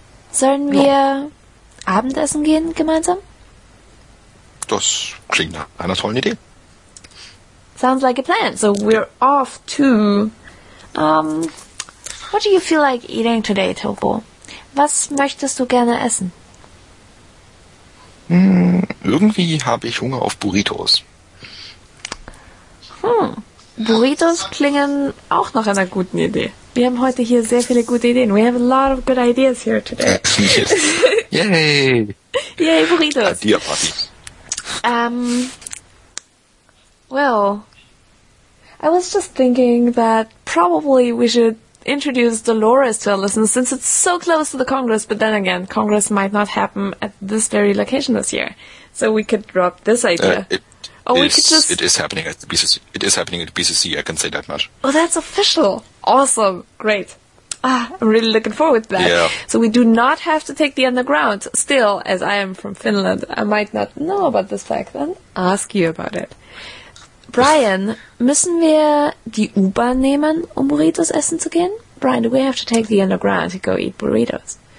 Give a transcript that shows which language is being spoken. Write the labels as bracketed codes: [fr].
[de] Sollen wir Abendessen gehen gemeinsam? Das klingt nach einer tollen Idee. [en] Sounds like a plan. So we're off to... what do you feel like eating today, Topo? [de] Was möchtest du gerne essen? Irgendwie habe ich Hunger auf Burritos. Burritos klingen auch nach einer guten Idee. Wir haben heute hier sehr viele gute Ideen. [en] We have a lot of good ideas here today. Yay! Yay, Burritos! Adia Party. Well, I was just thinking that probably we should introduce Dolores to our listeners since it's so close to the Congress, but then again, Congress might not happen at this very location this year. So we could drop this idea. It is happening at BCC, I can say that much. Oh, that's official. Awesome. Great. I'm really looking forward to that. Yeah. So we do not have to take the underground. Still, as I am from Finland, I might not know about this fact and ask you about it. [de] Brian, müssen wir die U-Bahn nehmen, um Burritos essen zu gehen? [en] Brian, do we have to take the underground to go eat burritos?